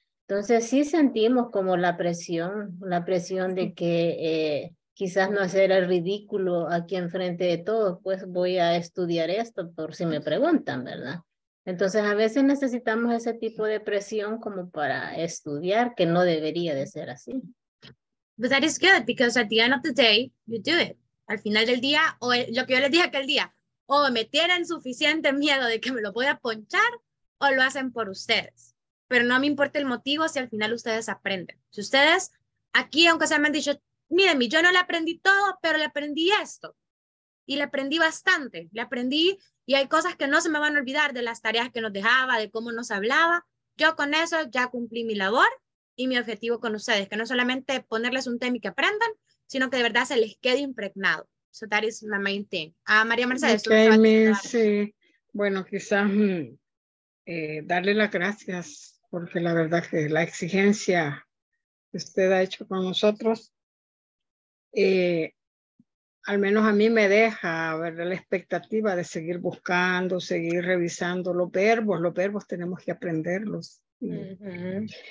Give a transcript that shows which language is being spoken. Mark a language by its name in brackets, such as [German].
[Spanish] Entonces, sí sentimos como la presión de que quizás no hacer el ridículo aquí enfrente de todos, pues voy a estudiar esto por si me preguntan, ¿verdad? Entonces, a veces necesitamos ese tipo de presión como para estudiar, que no debería de ser así. [English] But that is good, because at the end of the day, you do it. [Spanish] Al final del día, o lo que yo les dije aquel día, o me tienen suficiente miedo de que me lo voy a ponchar, o lo hacen por ustedes. Pero no me importa el motivo si al final ustedes aprenden. Si ustedes, aquí, aunque se me han dicho, miren, yo no le aprendí todo, pero le aprendí esto. Y le aprendí bastante, le aprendí... Y hay cosas que no se me van a olvidar de las tareas que nos dejaba, de cómo nos hablaba. Yo con eso ya cumplí mi labor y mi objetivo con ustedes, que no solamente ponerles un tema y que aprendan, sino que de verdad se les quede impregnado. [English] So that is my main thing. María Mercedes. Okay, miss, [Spanish] sí. Bueno, quizás darle las gracias porque la verdad que la exigencia que usted ha hecho con nosotros, al menos a mí me deja ver la expectativa de seguir buscando, seguir revisando los verbos tenemos que aprenderlos. Uh-huh.